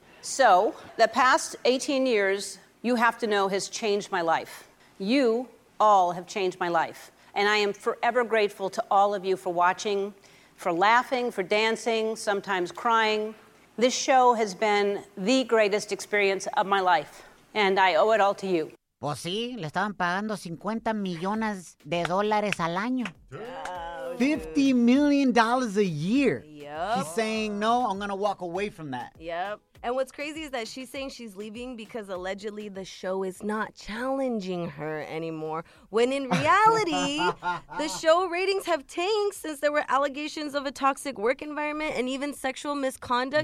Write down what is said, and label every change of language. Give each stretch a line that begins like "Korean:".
English: So, the past 18 years, you have to know, has changed my life. You all have changed my life. And I am forever grateful to all of you for watching, for laughing, for dancing, sometimes crying. This show has been the greatest experience of my life, and I owe it all to you.
Spanish: Pues sí, le estaban pagando 50 millones de dólares al año.
English: $50 million a year. Yep. She's saying, no, I'm going to walk away from that. Yep. And what's crazy is that she's saying she's leaving because allegedly the show is not challenging her anymore. When in reality, the show ratings have tanked since there were allegations of a toxic work environment and even sexual misconduct.